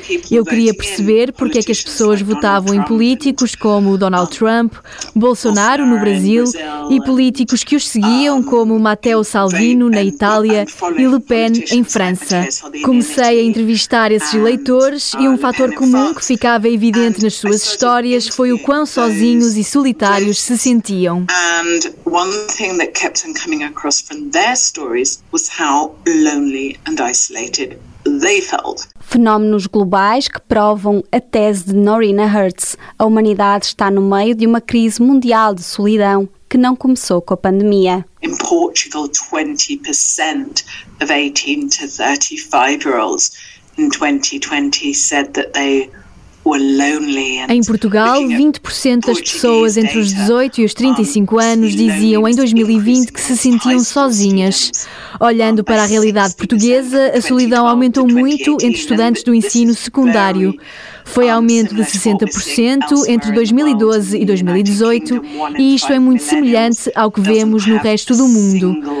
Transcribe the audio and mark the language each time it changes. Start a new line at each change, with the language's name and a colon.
Portuguese: Eu queria perceber porque é que as pessoas votavam em políticos como Donald Trump, Bolsonaro no Brasil e políticos que os seguiam como Matteo Salvini na Itália e Le Pen em França. Comecei a entrevistar esses eleitores e um fator comum que ficava evidente nas suas histórias foi o quão sozinhos e solitários se sentiam.
English: And one thing that kept on coming across from their stories was how lonely and isolated they felt.
Portuguese: Fenómenos globais que provam a tese de Norina Hertz. A humanidade está no meio de uma crise mundial de solidão que não começou com a pandemia.
English: In Portugal, 20% of 18 to 35-year-olds in 2020 said that they...
Portuguese: Em Portugal, 20% das pessoas entre os 18 e os 35 anos diziam em 2020 que se sentiam sozinhas. Olhando para a realidade portuguesa, a solidão aumentou muito entre estudantes do ensino secundário. foi aumento de 60% entre 2012 e 2018, e isto é muito semelhante ao que vemos no resto do mundo.